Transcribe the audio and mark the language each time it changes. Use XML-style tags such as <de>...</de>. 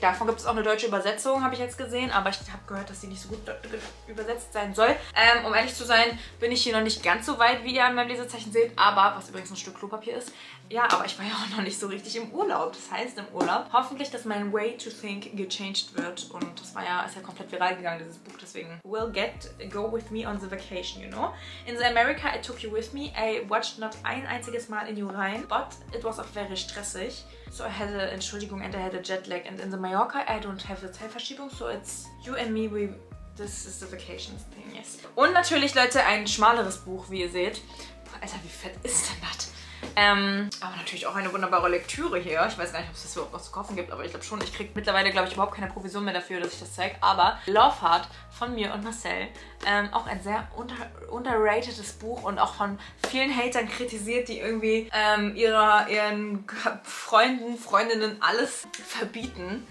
<de>Davon gibt es auch eine deutsche Übersetzung, habe ich jetzt gesehen. Aber ich habe gehört, dass sie nicht so gut übersetzt sein soll. Um ehrlich zu sein, bin ich hier noch nicht ganz so weit, wie ihr an meinem Lesezeichen seht. Aber, was übrigens ein Stück Klopapier ist. Ja, aber ich war ja auch noch nicht so richtig im Urlaub. Das heißt, im Urlaub hoffentlich, dass mein</de> <en>Way to Think</en> <de>gechanged wird. Und das war ja, ist ja komplett viral gegangen, dieses Buch. Deswegen,</de> <en>we'll get, go with me on the vacation, you know. In the America, I took you with me. I watched not</en> <de>ein einziges Mal</de> <en>in you</en> <de>rein.</de> <en>But it was</en> <de>auch</de> <en>very stressig. So I had a,</en> <de>Entschuldigung,</de> <en>and I had a jet lag. And in the Mallorca, I don't have a</en> <de>Zeitverschiebung.</de> <en>So it's you and me, we, this is the vacation thing, yes.</en> <de>Und natürlich, Leute, ein schmaleres Buch, wie ihr seht. Alter, wie fett ist denn das? Aber natürlich auch eine wunderbare Lektüre hier. Ich weiß gar nicht, ob es das überhaupt noch zu kaufen gibt, aber ich glaube schon. Ich kriege mittlerweile, glaube ich, überhaupt keine Provision mehr dafür, dass ich das zeige. Aber Love Heart von mir und Marcel. Auch ein sehr underratedes Buch und auch von vielen Hatern kritisiert, die irgendwie ihren Freunden, Freundinnen alles verbieten.</de>